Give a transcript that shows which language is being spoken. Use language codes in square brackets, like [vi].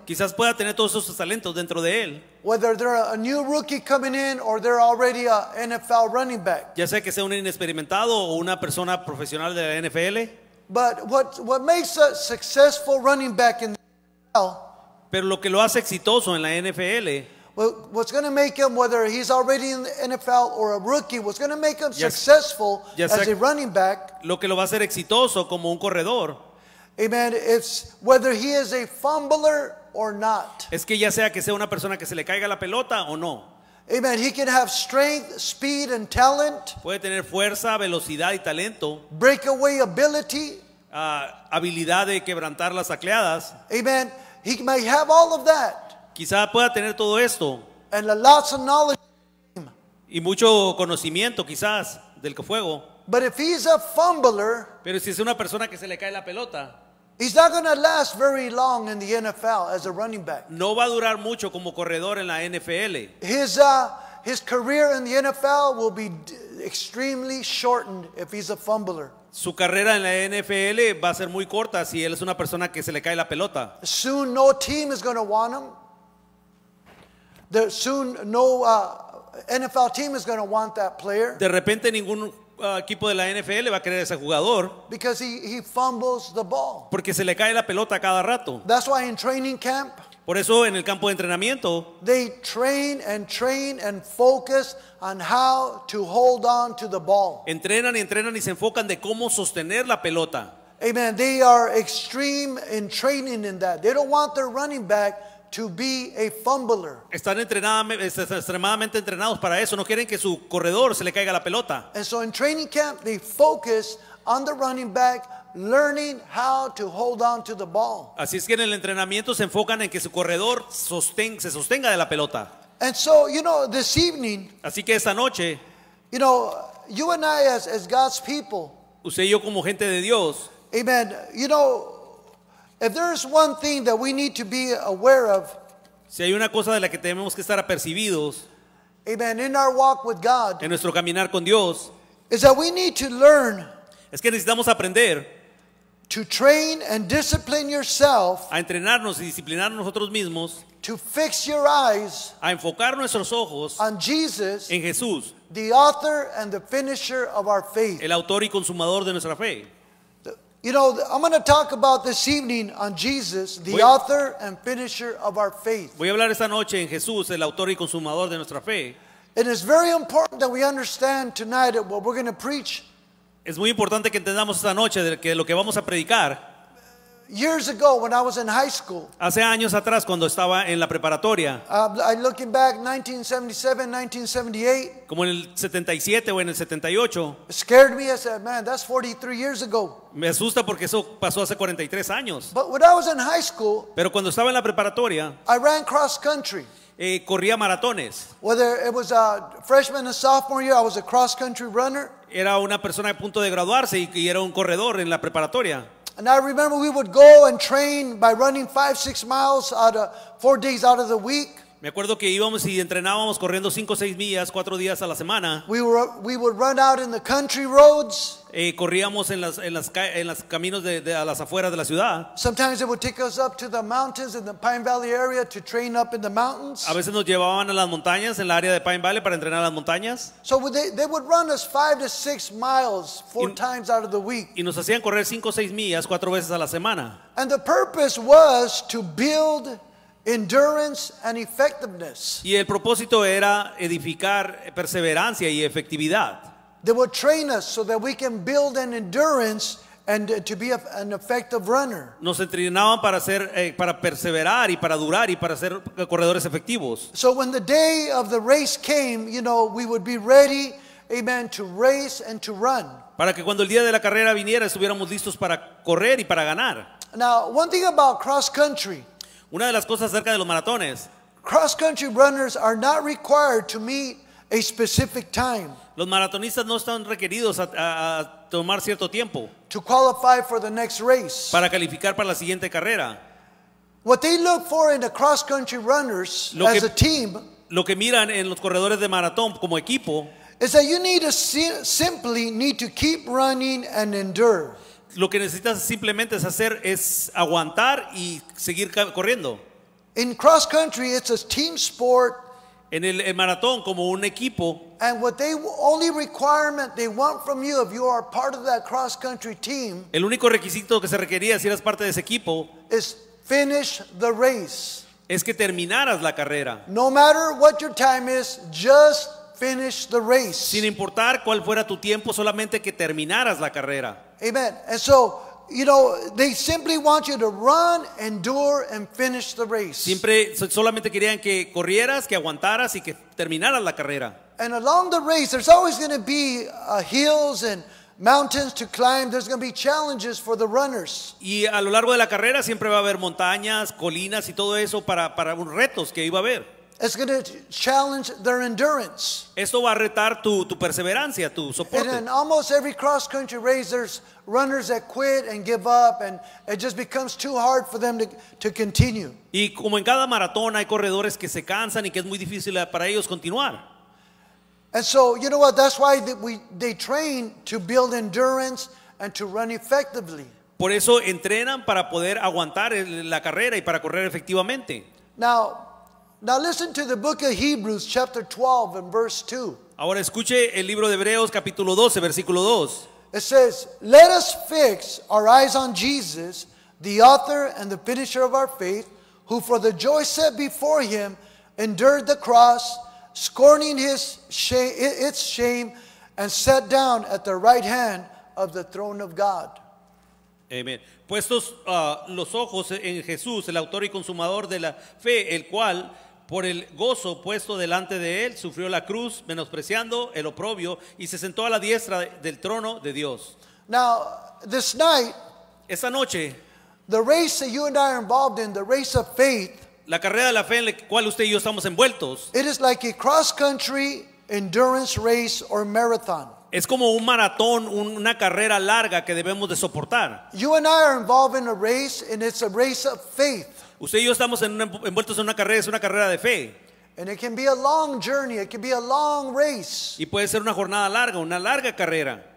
[es] Quizás pueda tener todos esos talentos dentro de él. [en] Whether they're a new rookie coming in or they're already an NFL running back. [es] Ya sea que sea un inexperimentado o una persona profesional de la NFL. [en] But what makes a successful running back in the NFL? [es] Pero lo que lo hace exitoso en la NFL. [en] what's going to make him, whether he's already in the NFL or a rookie, what's going to make him successful as a running back, [es] lo que lo va a hacer exitoso como un corredor, [en] amen, it's whether he is a fumbler or not. [es] Es que ya sea que sea una persona que se le caiga la pelota o no. [en] Amen. He can have strength, speed, and talent. [es] Puede tener fuerza, velocidad y talento. [en] Breakaway ability. [es] Habilidad de quebrantar las tacleadas. [en] Amen. He might have all of that. [es] Quizá pueda tener todo esto. [en] And a lot of knowledge. [es] Y mucho conocimiento, quizás, del fuego. [en] But if he's a fumbler. [es] Pero si es una persona que se le cae la pelota. [en] He's not going to last very long in the NFL as a running back. [es] No va a durar mucho como corredor en la NFL. [en] His career in the NFL will be extremely shortened if he's a fumbler. [es] Su carrera en la NFL va a ser muy corta si él es una persona que se le cae la pelota. [en] Soon no team is going to want him. Soon no NFL team is going to want that player. [es] De repente ningún equipo de la NFL va a querer ese jugador. [en] Because he fumbles the ball. [es] Porque se le cae la pelota cada rato. [en] That's why in training camp. [es] Por eso en el campo de entrenamiento. [en] They train and train and focus on how to hold on to the ball. [es] Entrenan y entrenan y se enfocan de cómo sostener la pelota. [en] Amen. They are extreme in training in that. They don't want their running back to be a fumbler. [es] Están extremadamente entrenados para eso. No quieren que su corredor se le caiga la pelota. [en] And so in training camp, they focus on the running back learning how to hold on to the ball. [es] Así es que en el entrenamiento se enfocan en que su corredor se sostenga de la pelota. [en] And so, you know, this evening, [es] así que esta noche, [en] you know, you and I as God's people, [es] usted y yo como gente de Dios, [en] amen, you know, if there's one thing that we need to be aware of, [es] si hay una cosa de la que tenemos que estar apercibidos, [en] amen, in our walk with God, [es] en nuestro caminar con Dios, [en] is that we need to learn, [es] es que necesitamos aprender, [en] to train and discipline yourself, [es] a entrenarnos y disciplinarnos nosotros mismos, [en] to fix your eyes, [es] a enfocar nuestros ojos, [en] on Jesus, [es] en Jesús, [en] the author and the finisher of our faith, [es] el autor y consumador de nuestra fe. [en] You know, I'm going to talk about this evening on Jesus, the author and finisher of our faith. [es] Voy a hablar esta noche en Jesús, el autor y consumador de nuestra fe. [en] It is very important that we understand tonight what we're going to preach. [es] Es muy importante que entendamos esta noche que lo que vamos a predicar. [en] Years ago, when I was in high school. [es] Hace años atrás, cuando estaba en la preparatoria. [en] I'm looking back, 1977, 1978. [es] Como en el 77 o en el 78. [en] It scared me. I said, "Man, that's 43 years ago." [es] Me asusta porque eso pasó hace 43 años. [en] But when I was in high school. [es] Pero cuando estaba en la preparatoria. [en] I ran cross country. [es] Corría maratones. [en] Whether it was a freshman or sophomore year, I was a cross country runner. [es] Era una persona a punto de graduarse y era un corredor en la preparatoria. [en] And I remember we would go and train by running 5-6 miles out of 4 days out of the week. [es] Me acuerdo que íbamos y entrenábamos corriendo 5-6 millas 4 días a la semana. [en] We would run out in the country roads. [es] Corríamos en las caminos de a las afueras de la ciudad. [en] Sometimes it would take us up to the mountains in the Pine Valley area to train up in the mountains. [es] A veces nos llevaban a las montañas en la área de Pine Valley para entrenar en las montañas. [en] So they would run us 5-6 miles 4 times out of the week. [es] Y nos hacían correr 5-6 millas 4 veces a la semana. [en] And the purpose was to build endurance and effectiveness. [es] Y el propósito era edificar perseverancia y efectividad. [en] They would train us so that we can build an endurance and to be an effective runner. [es] Nos entrenaban para ser para perseverar y para durar y para ser corredores efectivos. [en] So when the day of the race came, you know, we would be ready, amen, to race and to run. [es] Para que cuando el día de la carrera viniera estuviéramos listos para correr y para ganar. [en] Now, one thing about cross country. [es] Una de las cosas acerca de los maratones. [en] Cross country runners are not required to meet a specific time. [es] Los maratonistas no están requeridos a tomar cierto tiempo. [en] To qualify for the next race. [es] Para calificar para la siguiente carrera. [en] What they look for in the cross country runners as a team. [es] Lo que miran en los corredores de maratón como equipo. [en] Is that you need to simply need to keep running and endure. [es] Lo que necesitas simplemente es aguantar y seguir corriendo. [en] In cross country, it's a team sport. [es] En el maratón, como un equipo. [en] And what they only requirement they want from you if you are part of that cross country team. [es] El único requisito que se requería si eras parte de ese equipo. [en] Is finish the race. [es] es que terminaras la carrera. [en] No matter what your time is, just finish the race. [es] Sin importar cuál fuera tu tiempo, solamente que terminaras la carrera. [en] Amen. And so, you know, they simply want you to run, endure, and finish the race. [es] Siempre, solamente querían que corrieras, que aguantaras y que terminaras la carrera. [en] And along the race, there's always going to be hills and mountains to climb. There's going to be challenges for the runners. [es] Y a lo largo de la carrera siempre va a haber montañas, colinas y todo eso para un retos que iba a haber. [en] It's going to challenge their endurance. [es] Esto va a retar tu perseverancia, tu soporte. [en] And in almost every cross-country race, there's runners that quit and give up, and it just becomes too hard for them to continue. [es] Y como en cada maratón hay corredores que se cansan y que es muy difícil para ellos continuar. [en] And so, you know what? That's why they train to build endurance and to run effectively. [es] Por eso entrenan para poder aguantar la carrera y para correr efectivamente. [en] Now listen to the book of Hebrews, chapter 12 and verse 2. [es] Ahora escuche el libro de Hebreos, capítulo 12, versículo 2. [en] It says, "Let us fix our eyes on Jesus, the author and the finisher of our faith, who for the joy set before him endured the cross, scorning its shame, and sat down at the right hand of the throne of God." Amen. [es] Puestos los ojos en Jesús, el autor y consumador de la fe, el cual por el gozo puesto delante de él sufrió la cruz, menospreciando el oprobio, y se sentó a la diestra del trono de Dios. [en] Now, this night, [es] esta noche, [en] the race that you and I are involved in, the race of faith, [es] la carrera de la fe en la cual usted y yo estamos envueltos, [en] it is like a cross-country endurance race or marathon. [es] Es como un maratón, una carrera larga que debemos de soportar. [en] You and I are involved in a race, and it's a race of faith. [es] Usted y yo estamos envueltos en una carrera, es una carrera de fe. [en] And it can be a long journey, it can be a long race. [es] Y puede ser una jornada larga, una larga carrera.